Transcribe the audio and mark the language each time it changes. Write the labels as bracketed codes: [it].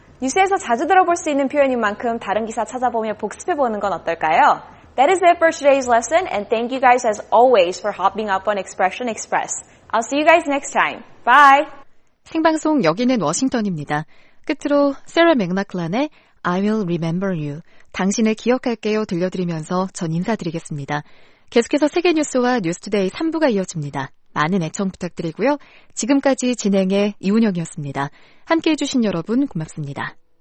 [ko] 뉴스에서 자주 들어볼 수 있는 표현인 만큼 다른 기사 찾아보며 복습해보는 건 어떨까요? [en] That is it for today's lesson, and thank you guys as always for hopping up on Expression Express. I'll see you guys next time. Bye! [ko] 생방송 여기는 워싱턴입니다. 끝으로 세라 맥락클란의 I Will Remember You, 당신을 기억할게요 들려드리면서 전 인사드리겠습니다. 계속해서 세계뉴스와 뉴스투데이 3부가 이어집니다. 많은 애청 부탁드리고요. 지금까지 진행해 이운영이었습니다. 함께해 주신 여러분 고맙습니다.